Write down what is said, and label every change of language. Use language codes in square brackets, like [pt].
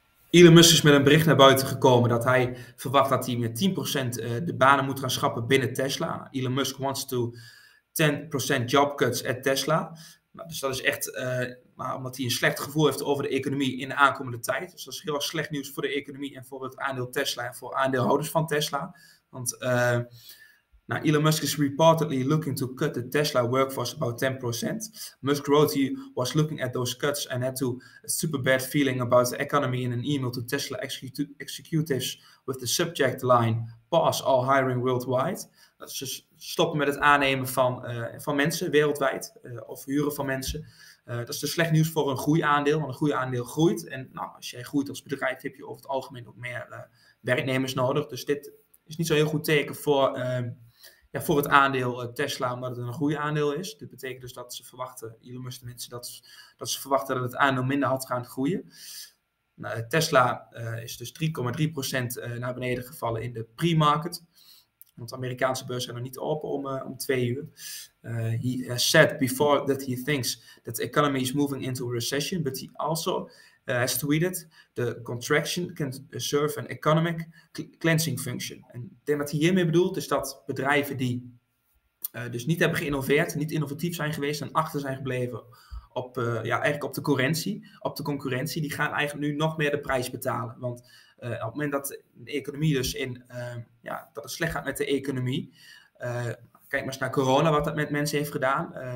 [nl] Elon Musk is met een bericht naar buiten gekomen dat hij verwacht dat hij met 10% de banen moet gaan schrappen binnen Tesla. [en] Elon Musk wants to 10% job cuts at Tesla. [nl] Nou, dus dat is echt omdat hij een slecht gevoel heeft over de economie in de aankomende tijd. Dus dat is heel erg slecht nieuws voor de economie en voor het aandeel Tesla en voor aandeelhouders van Tesla. [en] Want Elon Musk is reportedly looking to cut the Tesla workforce about 10%. Musk wrote he was looking at those cuts and had to a super bad feeling about the economy in an email to Tesla executives with the subject line, pause all hiring worldwide. [nl] Dat is dus stoppen met het aannemen van mensen wereldwijd of huren van mensen. Dat is dus slecht nieuws voor een groeiaandeel, want een groeiaandeel groeit. En nou, als jij groeit als bedrijf heb je over het algemeen ook meer werknemers nodig. Dus dit is niet zo'n heel goed teken voor het aandeel Tesla, omdat het een goede aandeel is. Dit betekent dus dat ze verwachten, Elon Musk tenminste, dat ze verwachten dat het aandeel minder had gaan groeien. Nou, Tesla is dus 3,3% naar beneden gevallen in de pre-market. Want de Amerikaanse beurzen zijn nog niet open om 2:00. [en] He said before that he thinks that the economy is moving into a recession, but he also has tweeted, the contraction can serve an economic cleansing function. [nl] En ik denk dat hij hiermee bedoelt, is dat bedrijven die dus niet hebben geïnnoveerd, niet innovatief zijn geweest en achter zijn gebleven op de concurrentie, die gaan eigenlijk nu nog meer de prijs betalen. Want op het moment dat de economie dus dat het slecht gaat met de economie, kijk maar eens naar corona, wat dat met mensen heeft gedaan.